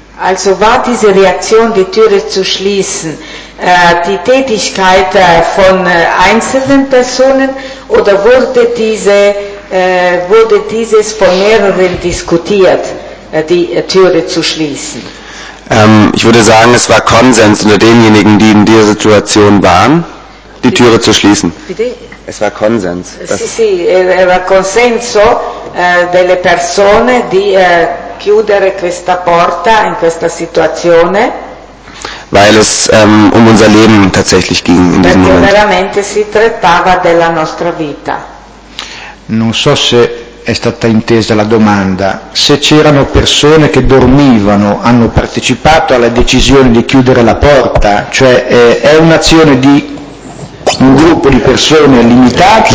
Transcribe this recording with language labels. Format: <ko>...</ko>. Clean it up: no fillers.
<de>Also war diese Reaktion, die Türe zu schließen, die Tätigkeit von einzelnen Personen oder wurde dieses von mehreren diskutiert? Die Türe zu schließen. Ich würde sagen, es war Konsens unter denjenigen, die in dieser Situation waren, die Türe zu schließen. Bitte? Es war Konsens.</de> <it>Sì, sì, era consenso delle persone di chiudere questa porta in questa situazione.</it> <de>Weil es um unser Leben tatsächlich ging in diesem Moment.</de> <it>Perché veramente si trattava della nostra vita. Non so se è stata intesa la domanda, se c'erano persone che dormivano, hanno partecipato alla decisione di chiudere la porta, cioè è un'azione di un gruppo di persone limitato.</it>